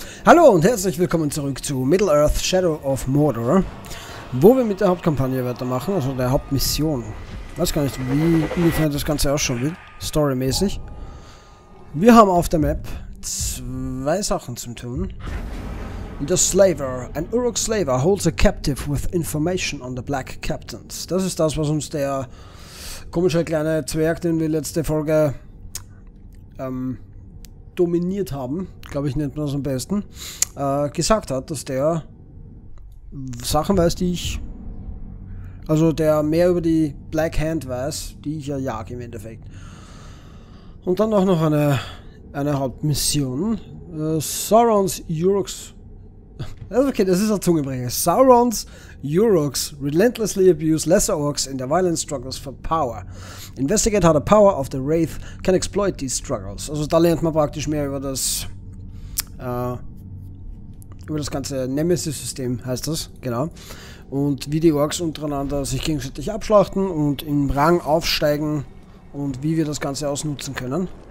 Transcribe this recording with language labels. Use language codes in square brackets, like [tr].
[de] Hallo und herzlich willkommen zurück zu Middle-Earth Shadow of Mordor, wo wir mit der Hauptkampagne weitermachen, also der Hauptmission. Ich weiß gar nicht, wie ungefähr das Ganze ausschauen wird, storymäßig. Wir haben auf der Map zwei Sachen zum Tun. [en] The Slaver. Ein Uruk Slaver holds a captive with information on the Black Captains. [de] Das ist das, was uns der komische kleine Zwerg, den wir letzte Folge dominiert haben, glaube ich, nennt man das am besten, gesagt hat, dass der Sachen weiß, die ich, also der mehr über die Black Hand weiß, die ich ja jage im Endeffekt. Und dann auch noch eine Hauptmission. Saurons Uruks. Okay, das ist ein Zungenbrecher. [en] Saurons Uruks relentlessly abuse lesser orcs in their violent struggles for power. Investigate how the power of the Wraith can exploit these struggles. [de] Also da lernt man praktisch mehr über das ganze Nemesis-System, heißt das, genau. Und wie die Orks untereinander sich gegenseitig abschlachten und im Rang aufsteigen und wie wir das Ganze ausnutzen können.